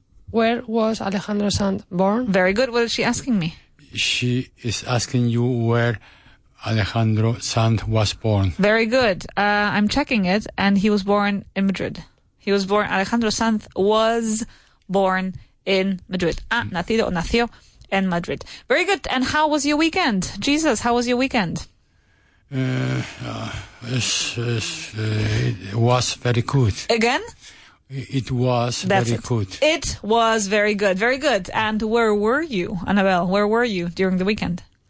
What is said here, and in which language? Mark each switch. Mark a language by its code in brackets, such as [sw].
[en] Where was Alejandro Sanz born? Very good. What is she asking me? She is asking you where... Alejandro Sanz was born. Very good. I'm checking it, and he was born in Madrid. He was born, Alejandro Sanz was born in Madrid. [es] Nacido o nació en Madrid. [en] Very good. And how was your weekend? Jesus, how was your weekend? It was very good. Again? It was That's very it. Good. It was very good. Very good. And where were you, Annabelle? Where were you during the weekend?